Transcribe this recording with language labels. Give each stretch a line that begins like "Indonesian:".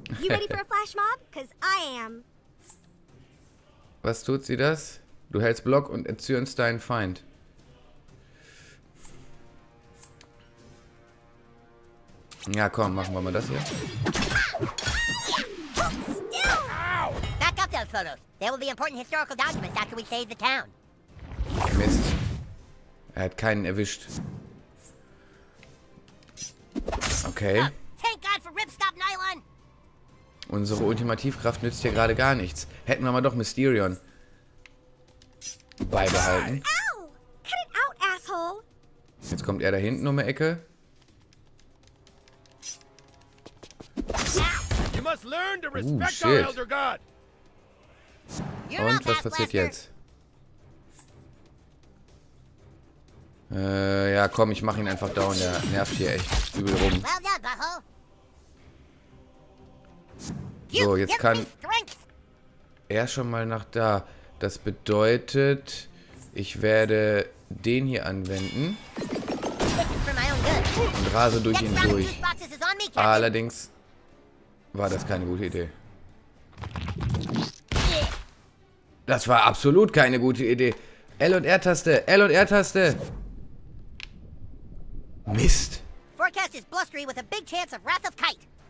English: You ready for a flash mob? Cause I am.
German: Was tut sie das? Du hältst Block und entzürnst deinen Feind. Ja, komm, machen wir mal das hier.
English: Back up those photos. There will be important historical documents after we save the town.
German: Mist. Er hat keinen erwischt. Okay.
English: Thank God for Ripstop Nylon.
German: Unsere Ultimativkraft nützt hier gerade gar nichts. Hätten wir mal doch Mysterion beibehalten.
English: Cut it out, asshole.
German: Jetzt kommt er da hinten um die Ecke.
English: You must learn to respect our elder god.
German: Und was passiert jetzt? Ja, komm, ich mach ihn einfach down. Der nervt hier echt übel rum. So, jetzt kann er schon mal nach da. Das bedeutet, ich werde den hier anwenden. Und rase durch ihn durch. Allerdings war das keine gute Idee. Das war absolut keine gute Idee. L und R-Taste, L und R-Taste. Mist.
English: Forecast is blustery with a big chance of Wrath of Kite.